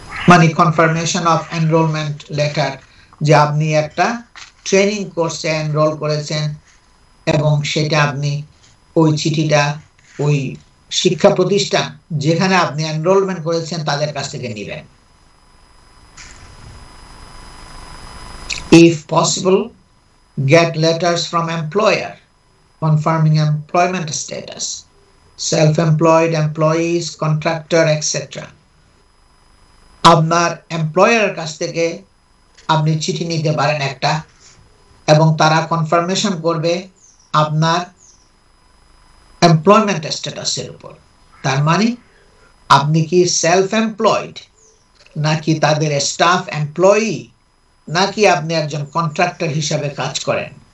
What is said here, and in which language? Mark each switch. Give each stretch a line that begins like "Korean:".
Bangla: মানে
English: confirmation of enrolment letter,
Bangla: যে আপনি একটা ট্রেনিং কোর্সে এনরোল করেছেন এবং সেটা আপনি ওই চিঠিটা ওই শিক্ষা প্রতিষ্ঠান যেখানে আপনি এনরোলমেন্ট করেছেন তাদের কাছ থেকে নেবেন।
English: If possible get letters from employer confirming employment status, self-employed, employees, contractor, etc.
Bangla: আপনার এমপ্লয়ারের কাছ থেকে আপনি চিঠি নিতে পারেন একটা, এবং তারা কনফার্মেশন করবে আপনার এমপ্লয়মেন্ট স্ট্যাটাসের উপর। তার মানে আপনি কি সেলফ এমপ্লয়েড, নাকি তাদের স্টাফ এমপ্লয়ি, নাকি আপনি একজন কন্ট্রাক্টর হিসাবে কাজ করেন,